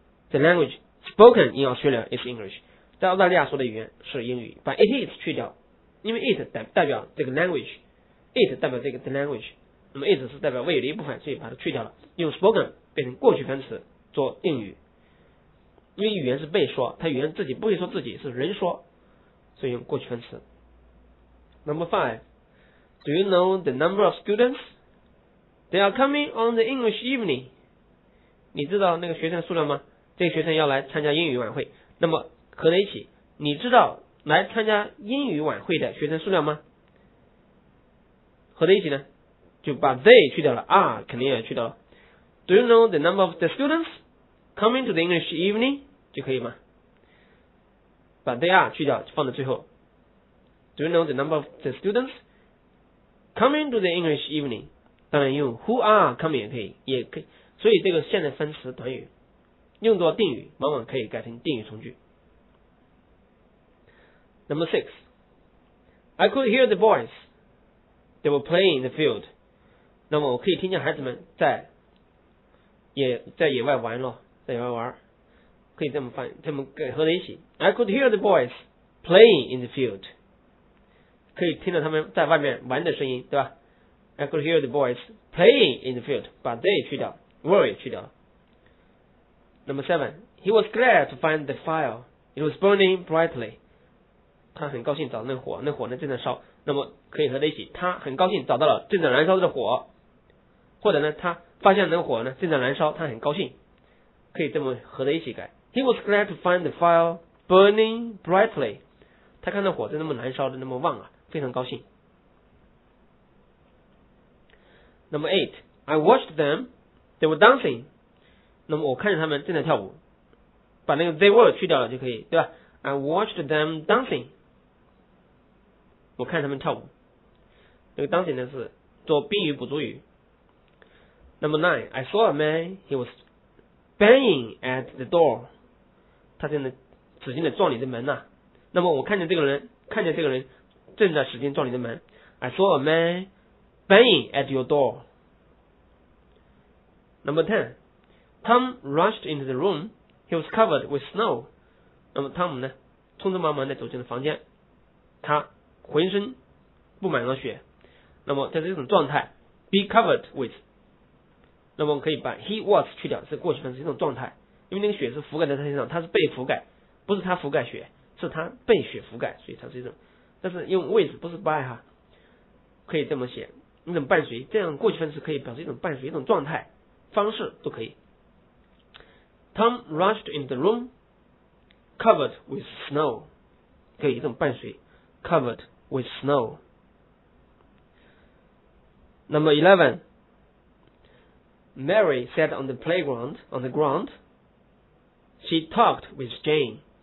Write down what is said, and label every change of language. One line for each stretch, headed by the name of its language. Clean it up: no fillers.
English: The language spoken in Australia is English.
Chinese: 在澳大利亚说的语言是英语，把 it is 去掉，因为 it 代表这个 language， it 代表这个 the language， 那么 it 是代表谓语的一部分，所以把它去掉了，用 spoken 变成过去分词做定语。因为语言是被说，它语言自己不会说自己，是人说，所以用过去分词。
English: Number five, do you know the number of students? They are coming on the English evening.
Chinese: 你知道那个学生的数量吗？这个学生要来参加英语晚会。那么合在一起，你知道来参加英语晚会的学生数量吗？合在一起呢，就把 they 去掉了，are 肯定也去掉了。
English: Do you know the number of the students coming to the English evening?
Chinese: 就可以吗？把 they are 去掉，放在最后。
English: Do you know the number of the students coming to the English evening?
Chinese: 当然用 who are coming 也可以。所以这个现在分词短语用作定语，往往可以改成定语从句。
English: Number six, I could hear the boys. They were playing in the field.
Chinese: 那么我可以听见孩子们在野外玩咯，在野外玩。可以这么翻，这么合在一起。
English: I could hear the boys playing in the field.
Chinese: 可以听到他们在外面玩的声音，对吧？
English: I could hear the boys playing in the field.
Chinese: 把 they 去掉， were 也去掉。
English: Number seven, he was glad to find the fire. It was burning brightly.
Chinese: 他很高兴找到那火呢正在烧。那么可以合在一起，他很高兴找到了正在燃烧的火，或者呢，他发现那火呢正在燃烧，他很高兴。可以这么合在一起改。
English: He was glad to find the fire burning brightly.
Chinese: 他看到火在那么燃烧的那么旺啊，非常高兴。
English: Number eight, I watched them. They were dancing.
Chinese: 那么我看着他们正在跳舞，把那个 they were 去掉了就可以，对吧？
English: I watched them dancing.
Chinese: 我看他们跳舞。那个 dancing 呢是做宾语补足语。
English: Number nine, I saw a man. He was banging at the door.
Chinese: 他正在使劲地撞你的门呐、啊。那么我看见这个人正在使劲撞你的门。
English: I saw a man banging at your door. Number ten, Tom rushed into the room. He was covered with snow.
Chinese: 那么汤姆呢，匆匆忙忙地走进了房间，他浑身布满了雪。那么在这种状态 ，be covered with。那么可以把 he was 去掉，是过去分词一种状态，因为那个雪是覆盖在他身上，他是被覆盖，不是他覆盖雪，是他被雪覆盖，所以它是一种，但是用 with 不是 by 哈，可以这么写，一种伴随，这样过去分词可以表示一种伴随，一种状态方式都可以。
English: Tom rushed in the room covered with snow，
Chinese: 可以一种伴随
English: covered with snow。 Number 11， Mary sat on the playground on the ground， she talked with Jane。